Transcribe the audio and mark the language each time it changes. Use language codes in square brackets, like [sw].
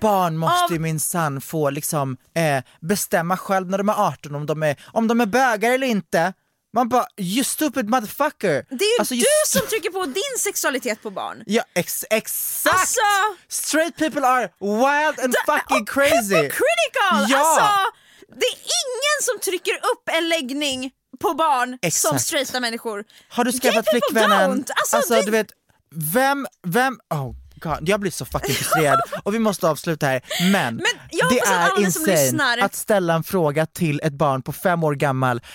[sv] Barn måste ju minsann få liksom bestämma själv när de är 18 om de är bögar eller inte. Man bara, [en] you stupid motherfucker. [sv] Det är ju alltså, du som trycker på din sexualitet på barn. Ja, exakt. Alltså, [en] straight people are wild and fucking crazy. Hypocritical. [sv] Ja. Alltså, det är ingen som trycker upp en läggning på barn, exakt, som straighta människor. Har du skaffat flickvännen? Alltså du vet, vem, [en] oh god, [sv] jag blir så fucking frustrerad. Och vi måste avsluta här. Men det är insane att ställa en fråga till ett barn på 5 år gammal.